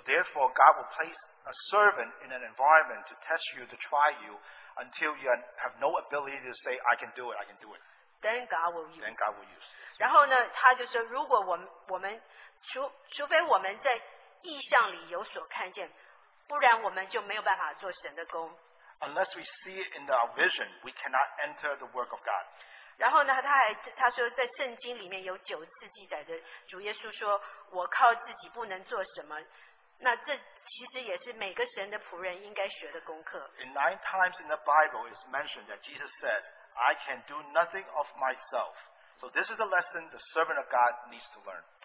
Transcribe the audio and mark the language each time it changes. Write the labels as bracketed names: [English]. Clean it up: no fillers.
[English] therefore, God will place a servant in an environment to test you, to try you, until you have no ability to say, I can do it, I can do it. Then God will use. Then God will use. [Chinese] 然后呢，他就说，如果我们除非我们在异象里有所看见，不然我们就没有办法做神的工。 [English] Unless we see it in our vision, we cannot enter the work of God. [Chinese] 然后呢，他还说，在圣经里面有9次记载着主耶稣说，我靠自己不能做什么。那这其实也是每个神的仆人应该学的功课。 [English] 9 times in the Bible is mentioned that Jesus said, I can do nothing of myself. So this is the lesson the servant of God needs to learn.